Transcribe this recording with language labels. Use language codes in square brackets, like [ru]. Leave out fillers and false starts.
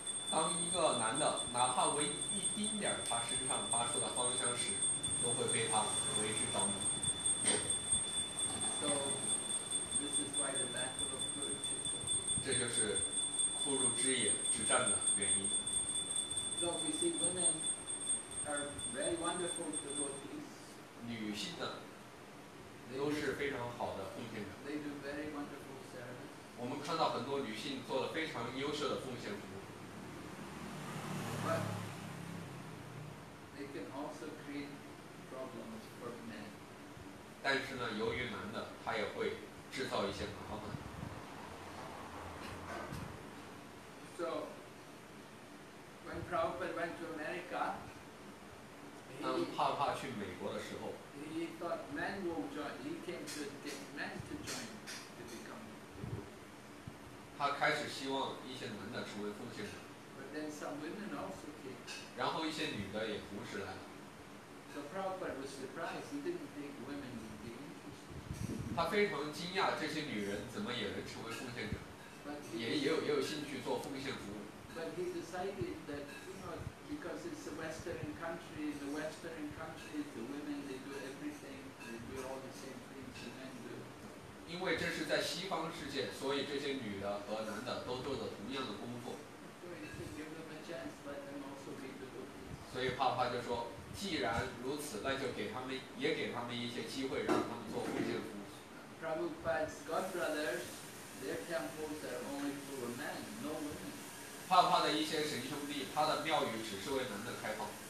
[zh] 当一个男的哪怕为一丁点他身上发出的芳香时，都会被他为之着迷。 [en] So this is why the battle of Kurukshetra. [zh] 这就是枯乳之野之战的原因。 [en] So we see women are very wonderful devotees. [zh] 女性的 [en] they [zh] 都是非常好的奉献者。 [en] They do very wonderful service. [zh] 我们看到很多女性做了非常优秀的奉献服务。 [en] But they can also create problems for men. [zh] 但是呢，由于男的，他也会制造一些麻烦。 [en] So. When Prabhupada went to America, [zh] 当帕帕去美国的时候 [en] he thought men will join. He came to get men to join to become. [zh] 他开始希望一些男的成为奉献者。 [en] But then some women also came. [zh] 然后一些女的也同时来了。 [en] So Prabhupada was surprised. He didn't think women would be interested. [zh] 他非常惊讶，这些女人怎么也能成为奉献者，也有兴趣做奉献服务。 [en] But he decided that, you know, because it's a Western country, in the Western countries, the women, they do everything, they do all the same things the men do. [zh] 因为这是在西方世界，所以这些女的和男的都做着同样的工作。 [en] So he said, give them a chance, let them also be devotees. [zh] 所以帕帕就说，既然如此，那就给他们一些机会，让他们做奉献服务。 [en] Prabhupada's godbrothers, their temples are only for men, no women. [zh] 帕帕的一些神兄弟，他的庙宇只是为男的开放。